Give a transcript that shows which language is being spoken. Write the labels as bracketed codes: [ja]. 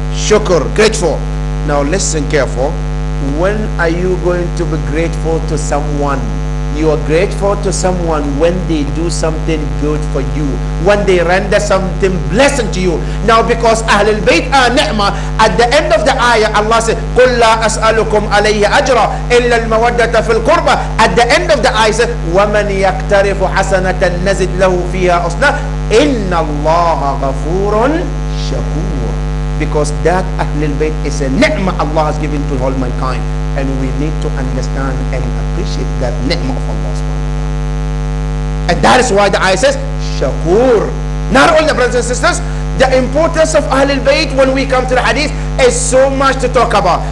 [en] Shukr, grateful. Now listen careful. When are you going to be grateful to someone? You are grateful to someone when they do something good for you, when they render something blessing to you. Now, because Ahlul Bayt are ni'mah, at the end of the ayah, Allah said, [ar] قُلْ لَا أَسْأَلُكُمْ عَلَيْهِ أَجْرًا إِلَّا الْمَوَدَّةَ فِي الْقُرْبَةِ. [en] At the end of the ayah, said, [ar] وَمَنْ يَقْتَرِفُ حَسَنَةً نَزِدْ لَهُ فِيهَا أُسْنَةً إِنَّ اللَّهَ غَفُورٌ شَكُورٌ. [en] because that Ahlul Bayt is a ni'mah Allah has given to all mankind. And we need to understand and appreciate that ni'mah of Allah subhanahu wa ta'ala. And that is why the ayah says, Shakur. Not only brothers and sisters, the importance of Ahlul Bayt when we come to the hadith is so much to talk about.